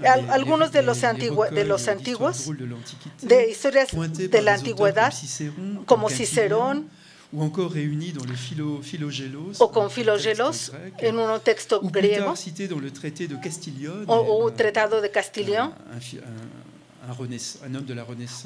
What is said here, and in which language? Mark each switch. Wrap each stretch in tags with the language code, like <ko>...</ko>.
<es>Algunos de los antiguos, de historias de la antigüedad, como Cicerón,</es> <fr>ou encore réuni dans le Philogelos,</fr> <es>o con Philogelos, en un texto griego,</es> <fr>ou cité dans le traité de Castiglione,</fr> <es>o tratado de Castiglione,</es> <fr>un homme de la Renaissance,</fr>